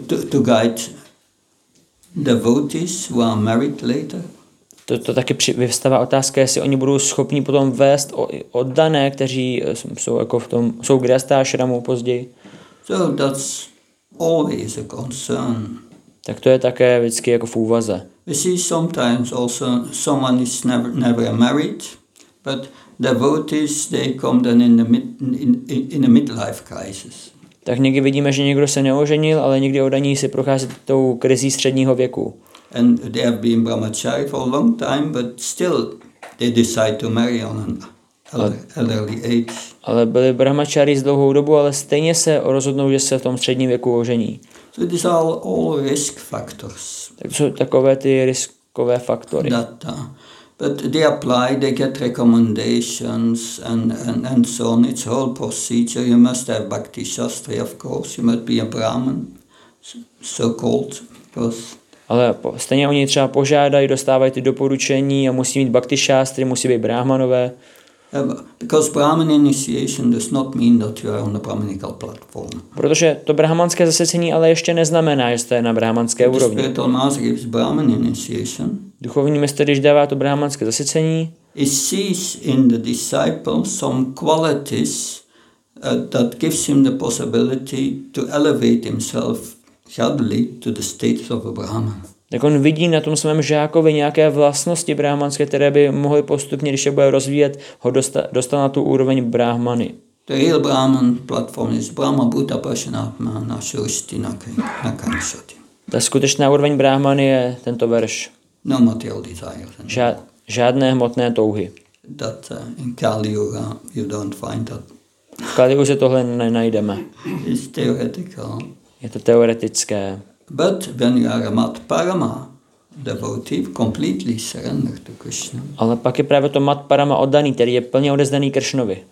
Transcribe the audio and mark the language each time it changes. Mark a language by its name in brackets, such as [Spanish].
[English] to guide devotees who are married later. [Czech] To taky vyvstává otázka, jestli oni budou schopni potom vést oddané, kteří jsou jako v tom jsou grihastha ašramu později. [English] So that's always a concern. [Czech] Tak to je také vždycky jako v úvaze. [English] We see sometimes also someone is never married, but devotees they come then in a midlife crisis. [Czech] Tak někdy vidíme, že někdo se neoženil, ale někdy oddaní si prochází tou krizí středního věku. [English] And they have been brahmachari for a long time, but still they decide to marry on an elderly age. [Czech] Ale byli brahmachari z dlouhou dobu, ale stejně se rozhodnou, že se v tom středním věku ožení. [English] So these are all risk factors. [Czech] Tak jsou takové ty riskové faktory. [English] Data. But they apply, they get recommendations and so on. It's whole procedure. You must have bhakti shastri, of course. You must be a brahman, so called, because... [Czech] Ale stejně oni třeba požádají, dostávají ty doporučení a musí mít bhakti šástry, musí být brahmanové. [English] Because brahman initiation does not mean that you are on the brahmanical platform. [Czech] Protože to brahmanské zasvěcení ale ještě neznamená, že jste na brahmanské úrovni. [English] The spiritual master gives brahman initiation. [Czech] Duchovní mistr, když dává to brahmanské zasvěcení. [English] He sees in the disciple some qualities that gives him the possibility to elevate himself sadly to the status of a brahman. [Czech] Tak on vidí na tom svém žákovi nějaké vlastnosti brahmanské, které by mohly postupně, když je bude rozvíjet, ho dostat na tu úroveň brahmany. [English] The real brahman platform is [Sanskrit] Brahma Buddha Prashanatma na Shrushti na Kamsati. [Czech] Ta skutečná úroveň brahmany je tento verš. [English] No material desires. [Czech] Žádné hmotné touhy. [English] That in Kali Yuga you don't find that. [Czech] V Kali Yuze tohle nenajdeme. [English] It's theoretical. [Czech] Je to teoretické. [English] But when you are mat parama devotee, completely surrender to Krishna. [Czech] Ale pak je právě to mat parama oddaný, který je plně odezdaný Krishnovi.